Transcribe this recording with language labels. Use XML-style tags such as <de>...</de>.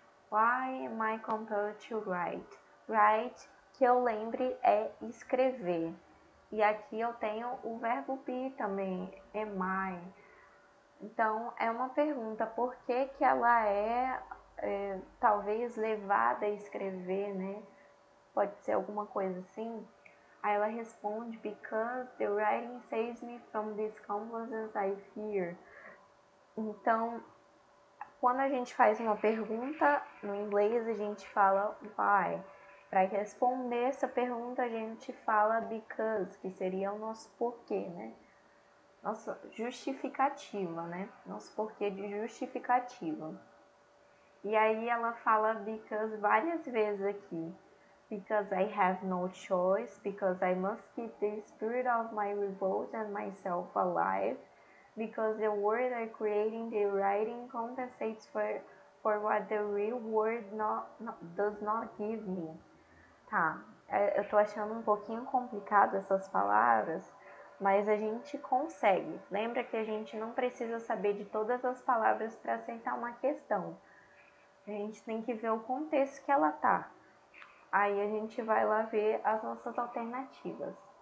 <en>Why am I compelled to write? Write,</en> <pt>que eu lembre, é escrever. E aqui eu tenho o verbo be também, am I. Então, é uma pergunta, por que que ela é talvez levada a escrever, né? Pode ser alguma coisa assim. Aí ela responde,</pt> <en>because the writing saves me from these compulsions I fear.</en> <pt>Então, quando a gente faz uma pergunta no inglês, a gente fala why. Para responder essa pergunta, a gente fala because, que seria o nosso porquê, né? Nossa justificativa, né? Nosso porquê de justificativa. E aí ela fala because várias vezes aqui.</pt> <en>Because I have no choice, because I must keep the spirit of my revolt and myself alive. Because the world I create in the writing compensates for what the real world does not give me.</en> <pt>Tá, eu tô achando um pouquinho complicado essas palavras, mas a gente consegue. Lembra que a gente não precisa saber de todas as palavras para acertar uma questão. A gente tem que ver o contexto que ela tá. Aí a gente vai lá ver as nossas alternativas.</pt>